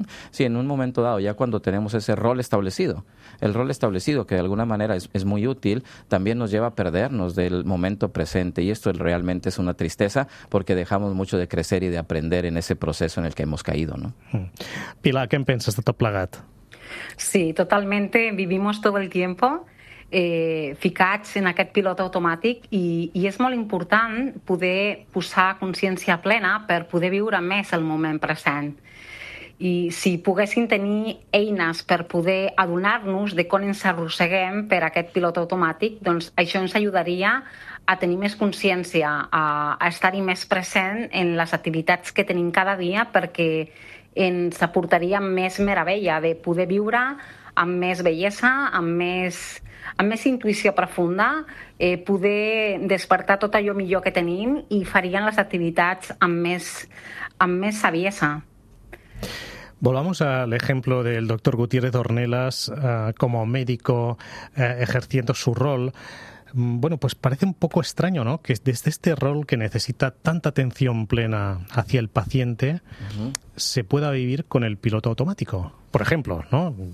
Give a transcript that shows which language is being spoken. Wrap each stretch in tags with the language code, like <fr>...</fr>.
<es>Sí, en un momento dado, ya cuando tenemos ese rol establecido, que de alguna manera es muy útil, también nos lleva a perdernos del momento presente, y esto realmente es una tristeza porque dejamos mucho de crecer y de aprender en ese proceso en el que hemos caído, ¿no? Pilar, ¿qué piensas de</es> <ca>tot plegat?</ca> <es>Sí, totalmente. Vivimos todo el tiempo</es> <ca>ficats en aquest pilot automàtic, i és molt important poder posar consciència plena per poder viure més el moment present. I si poguessin tenir eines per poder adonar-nos de com ens arrosseguem per aquest pilot automàtic, doncs això ens ajudaria a tenir més consciència, a estar-hi més present en les activitats que tenim cada dia, perquè ens aportaria més meravella de poder viure amb més bellesa, amb més intuïció profunda, poder despertar tot allò millor que tenim, i farien les activitats amb més saviesa.</ca> <es>Volvamos al ejemplo del doctor Gutiérrez Ornelas como médico ejerciendo su rol. Bueno, pues parece un poco extraño, ¿no? Que desde este rol que necesita tanta atención plena hacia el paciente, se pueda vivir con el piloto automático. Por ejemplo, ¿no?</es>